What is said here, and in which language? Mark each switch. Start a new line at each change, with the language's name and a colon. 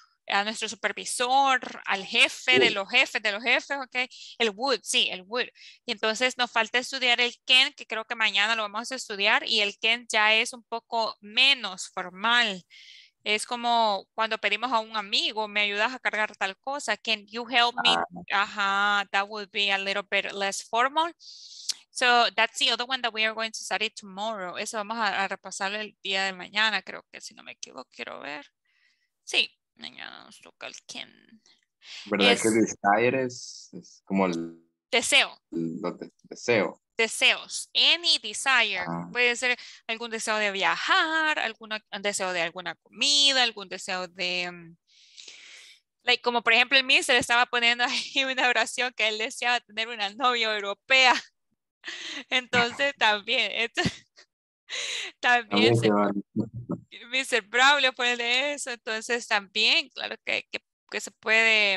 Spanish: A nuestro supervisor, al jefe de los jefes de los jefes, ¿ok? El would, sí, el would. Y entonces nos falta estudiar el can, que creo que mañana lo vamos a estudiar, y el can ya es un poco menos formal. Es como cuando pedimos a un amigo, me ayudas a cargar tal cosa.
English: Can you help me? Ajá, that would be a little bit less formal. So that's the other one that we are going to study tomorrow.
Spanish: Eso vamos a repasar el día de mañana, creo que si no me equivoco, quiero ver. Sí, mañana nos toca el can. ¿Verdad es, que desire es como el... Deseo. Deseo. Deseos,
English: any desire,
Spanish: puede ser algún deseo de viajar, algún deseo de alguna comida, algún deseo de, like, como por ejemplo el mister estaba poniendo ahí una oración que él deseaba tener una novia europea, entonces también se, mister Braulio pone de eso, entonces también, claro que se puede,